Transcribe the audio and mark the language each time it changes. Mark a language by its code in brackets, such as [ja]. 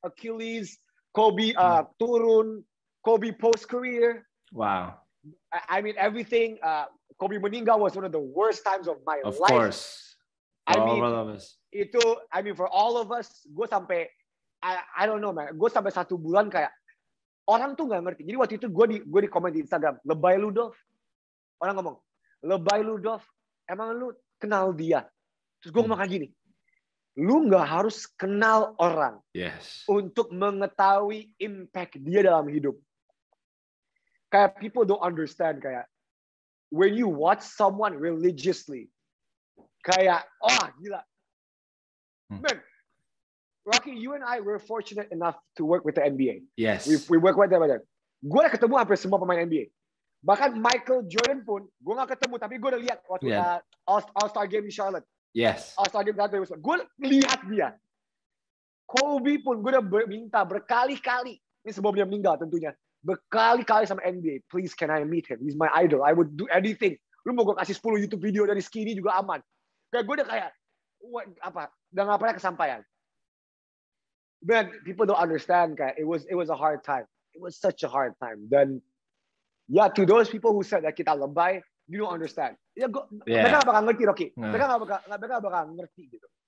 [en] Achilles, Kobe turun, Kobe post career. Wow. I mean everything. Kobe Meninggal was one of the worst times of my life. Of course. For all of us. [id] Itu, [en] I mean for all of us, [id] gue sampai, [en] I don't know man. [id] Gue sampai satu bulan kayak orang tuh nggak ngerti. Jadi waktu itu gue di komen di Instagram, lebay lu Dov. Orang ngomong, lebay lu Dov. Emang lu kenal dia? Terus gue ngomong kayak gini, lu gak harus kenal orang untuk mengetahui impact dia dalam hidup. [en] Kayak people don't understand, kayak when you watch someone religiously, kayak, oh gila. Man, Rocky, you and I, we're fortunate enough to work with the NBA. Yes. We work with them. [id] Gue udah ketemu hampir semua pemain NBA. Bahkan Michael Jordan pun, gue gak ketemu, tapi gue udah lihat waktu All-Star Game di Charlotte. [en] Yes. [id] All-Star Game di Charlotte. Gue lihat dia. Kobe pun gue udah minta berkali-kali, ini sebelum dia meninggal tentunya, berkali-kali sama NBA, [en] please can I meet him? He's my idol. I would do anything. [id] Lu mau gue kasih 10 YouTube video dari skinny juga aman. Kayak gue udah kayak, udah gak pernah kesampaian. [en] Man, people don't understand, kayak it was a hard time. it was such a hard time. Then, yeah, to those people who said that [id] kita lebay, [en] you don't understand. Yeah, go, yeah. [id] Mereka gak bakal ngerti, Rocky. Mereka gak bakal ngerti, gitu.